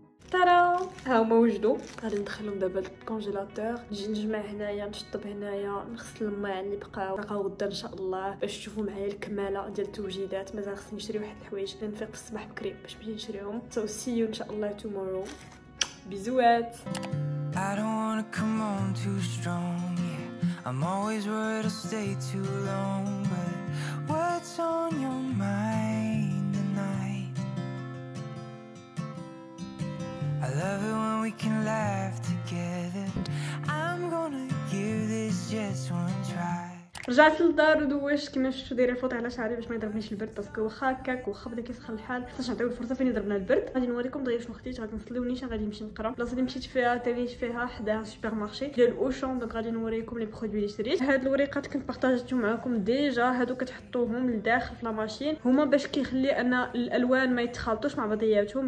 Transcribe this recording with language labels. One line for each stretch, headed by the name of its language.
Arabic: ترى هاو موجدو. غادي ندخلهم دابا للكونجيلاتور، نجي نجمع هنايا، نشطب هنايا، نغسل الماء اللي بقى راه غدا ان شاء الله باش تشوفوا معايا الكماله ديال التوجيدات. مازال خصني نشري واحد الحوايج، نفيق في الصباح بكري باش نمشي نشريهم.
English: So see you ان شاء الله تومورو.
French: بيزوات.
English: I don't wanna come on too strong, yeah. I'm always worried I'll stay too long, but what's on your mind tonight? I love it when we can laugh together. I'm gonna give this just one try.
Arabic: رجعت للدار ودوشت كما شفتوا دايره الفوطه على شعري باش ما يضربنيش البرد، باسكو واخا هكاك واخا بدا كيسخن الحال خصني نعطيو الفرصه فين يضربنا البرد. غادي نوريكم دغيا شنو خديت، غادي نصلي ونيشان، غادي نمشي نقرا البلاصه اللي مشيت فيها تريش فيها حدا السوبر مارشي ديال اوشون. دونك غادي نوريكم لي برودوي اللي شريت. هاد الوريقات كنت بارطاجيتهم معكم ديجا، هادو كتحطوهم لداخل في لا ماشين، هما باش كيخلي ان الالوان ما يتخلطوش مع بعضياتهم.